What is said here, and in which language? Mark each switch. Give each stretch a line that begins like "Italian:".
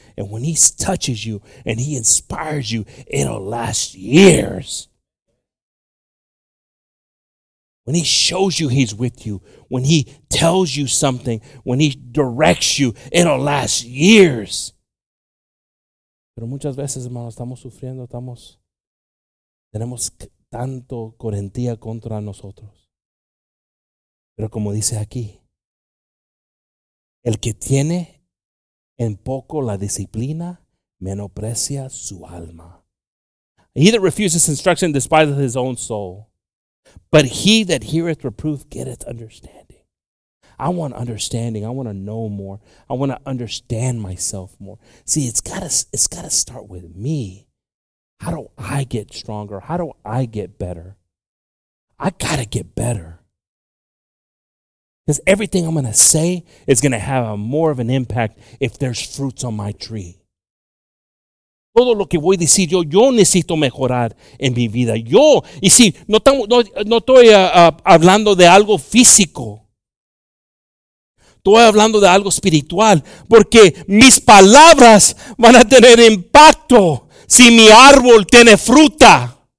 English: And when he touches you and he inspires you, it'll last years. When he shows you he's with you, when he tells you something, when he directs you, it'll last years.
Spanish: Pero muchas veces, hermanos, estamos sufriendo, tenemos tanto corrientía contra nosotros. Pero como dice aquí, el que tiene en poco la disciplina menosprecia su alma.
English: He that refuses instruction despises his own soul. But he that heareth reproof getteth understanding. I want understanding. I want to know more. I want to understand myself more. See, it's gotta start with me. How do I get stronger? How do I get better? I gotta get better. Because everything I'm gonna say is gonna have more of an impact if there's fruits on my tree.
Spanish: Todo lo que voy a decir, yo necesito mejorar en mi vida. Yo, y si, no estoy hablando de algo físico. Estoy hablando de algo espiritual. Porque mis palabras van a tener impacto si mi árbol tiene fruta.